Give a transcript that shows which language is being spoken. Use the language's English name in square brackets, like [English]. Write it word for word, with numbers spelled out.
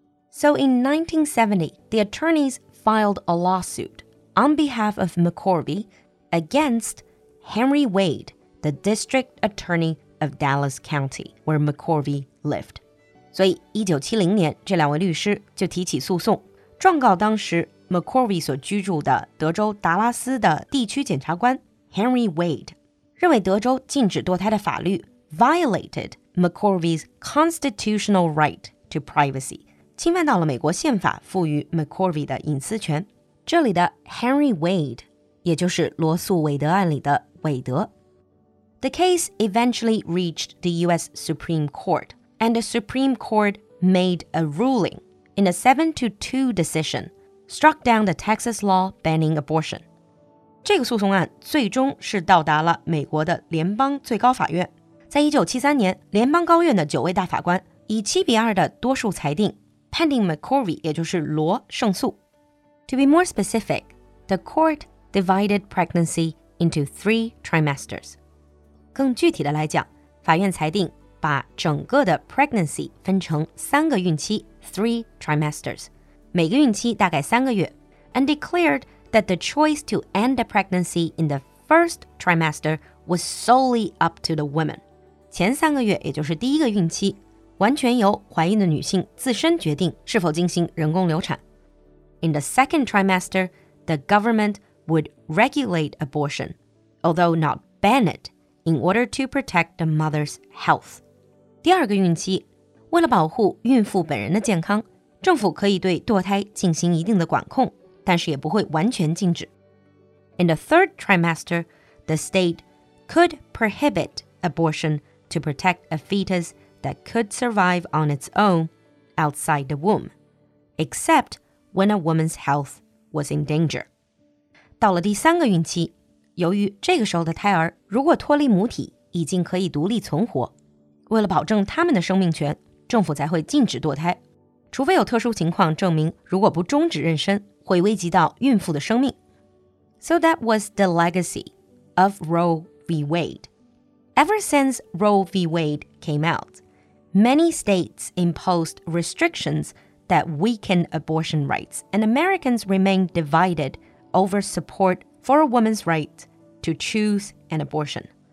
[English] So in nineteen seventy, the attorneys filed a lawsuit on behalf of McCorvey against Henry Wade, the district attorney of Dallas County, where McCorvey lived. [Chinese] 所以一九七零年这两位律师就提起诉讼，状告当时 McCorvey 所居住的德州达拉斯的地区检察官 Henry Wade， 认为德州禁止堕胎的法律 [English] violated McCorvey's constitutional right to privacy， [Chinese] 侵犯到了美国宪法赋予 McCorvey 的隐私权。这里的 Henry Wade 也就是罗素韦德案里的韦德。 [English] The case eventually reached the U S Supreme Court, and the Supreme Court made a ruling in a seven to two decision, struck down the Texas law banning abortion. [Chinese] 这个诉讼案最终是到达了美国的联邦最高法院。在一九七三年，联邦高院的九位大法官以七比二的多数裁定，判定 McCorvey 也就是罗胜诉。 [English] To be more specific, the court divided pregnancy into three trimesters. [Chinese] 更具体的来讲，法院裁定把整个的 [English] pregnancy [Chinese] 分成三个孕期 [English] three trimesters， [Chinese] 每个孕期大概三个月 [English] and declared that the choice to end the pregnancy in the first trimester was solely up to the women. [Chinese] 前三个月，也就是第一个孕期，完全由怀孕的女性自身决定是否进行人工流产。 [English] in the second trimester, the government would regulate abortion, although not ban it, in order to protect the mother's health. [Chinese] 第二个孕期，为了保护孕妇本人的健康，政府可以对堕胎进行一定的管控，但是也不会完全禁止。 [English] In the third trimester, the state could prohibit abortion to protect a fetus that could survive on its own outside the womb, except when a woman's health was in danger. [Chinese] 到了第三个孕期，由于这个时候的胎儿如果脱离母体，已经可以独立存活，为了保证他们的生命权，政府才会禁止堕胎，除非有特殊情况证明如果不终止妊娠，会危及到孕妇的生命。 [English] So that was the legacy of Roe v. Wade. Ever since Roe v. Wade came out, many states imposed restrictions that weaken abortion rights, and Americans remain divided over support for a woman's right to choose an abortion.